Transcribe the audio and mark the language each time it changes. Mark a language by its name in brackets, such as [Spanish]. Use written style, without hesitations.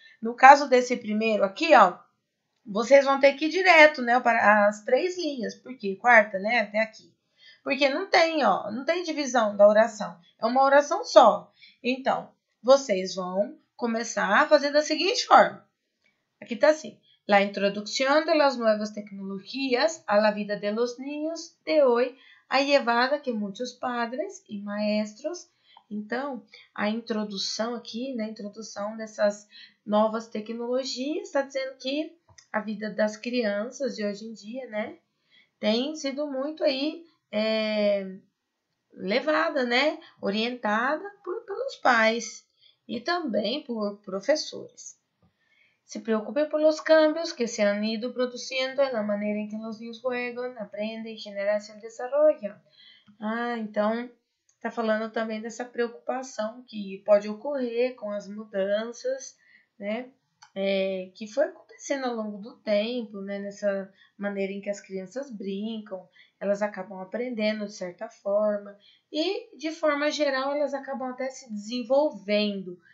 [Portuguese] No caso desse primeiro aqui, ó, vocês vão ter que ir direto, né, para as três linhas, porque quarta, né, até aqui. Porque não tem, ó, não tem divisão da oração. É uma oração só. Então, vocês vão começar a fazer da seguinte forma. Aqui tá assim. [Spanish] La introducción de las nuevas tecnologías a la vida de los niños de hoy ha llevado a que muchos padres y maestros... [Portuguese] Então, a introdução aqui, né, a introdução dessas novas tecnologias está dizendo que a vida das crianças de hoje em dia, né, tem sido muito aí levada, né, orientada pelos pais e também por professores. [Spanish] Se preocupe por los cambios que se han ido produciendo en la manera en que los niños juegan, aprenden, generan y se desarrollan. [Portuguese] Ah, então, está falando também dessa preocupação que pode ocorrer com as mudanças, né, que foi acontecendo ao longo do tempo, né, nessa maneira em que as crianças brincam, elas acabam aprendendo de certa forma e, de forma geral, elas acabam até se desenvolvendo.